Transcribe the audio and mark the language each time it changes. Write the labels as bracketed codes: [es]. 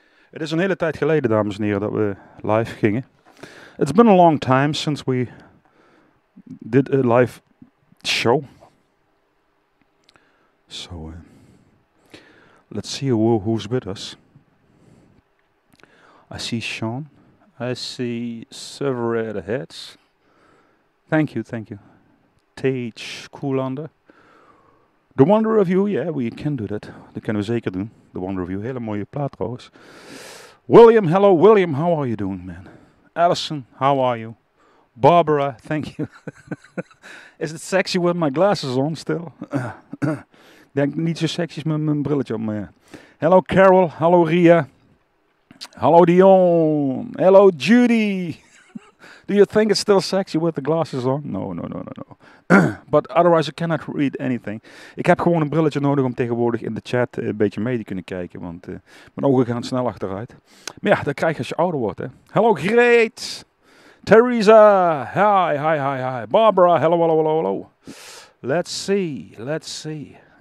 [nl] Het is een hele tijd geleden, dames en heren, dat we live gingen. [en] It's been a long time since we did a live show. Let's see who's with us. I see Sean. I see several heads. Thank you. Tage Koelander. The Wonder of You, yeah, we can do that. [nl] Dat kunnen we zeker doen. The Wonder of You, hele mooie plaat trouwens. [en] William, hello. William, how are you doing, man? Allison, how are you? Barbara, thank you. Is it sexy with my glasses on still? [nl] Denk niet zo sexy als met mijn brilletje op, maar ja. [en] Hello, Carol. Hello, Ria. Hello, Dion. Hello, Judy. Do you think it's still sexy with the glasses on? No. But otherwise, I cannot read anything. [nl] Ik heb gewoon een brilletje nodig om tegenwoordig in de chat een beetje mee te kunnen kijken. Want mijn ogen gaan snel achteruit. Maar ja, dat krijg je als je ouder wordt. Hè. [en] Hello, great! Teresa! Hi. Barbara, hello. Let's see.